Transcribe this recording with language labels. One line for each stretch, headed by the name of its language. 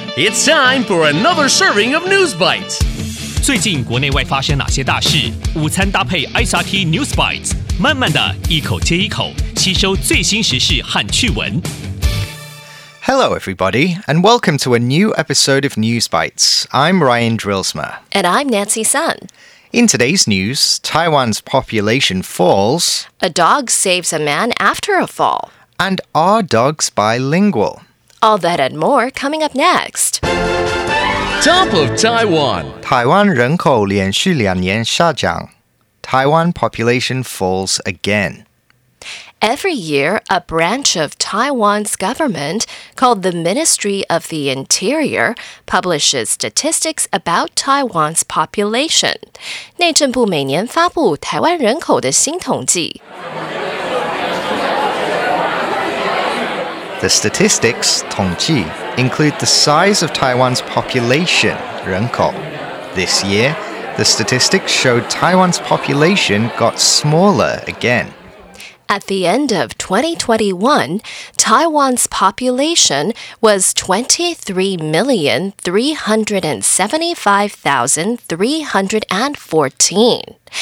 English: It's time for another serving of News Bites.
Chinese: 最近国内外发生哪些大事？午餐搭配 SRT News Bites， 慢慢的一口接一口，吸收最新时事和趣闻。
English: Hello, everybody, and welcome to a new episode of News Bites. I'm Ryan Drillsma. And I'm Nancy Sun. In today's news, Taiwan's population falls. A dog saves a man after a fall. And are dogs bilingual? All that and more coming up next. Top of Taiwan.
Chinese: 台湾人口连续两年下降。
English: Taiwan population falls again. Every year, a branch of Taiwan's government, called the Ministry of the Interior, publishes statistics about Taiwan's population.
Chinese: 内政部每年发布台湾人口的新统计。
English: The statistics, 统计, include the size of Taiwan's population, 人口. This year, the statistics showed Taiwan's population got smaller again. At the end of 2021, Taiwan's population was 23,375,314.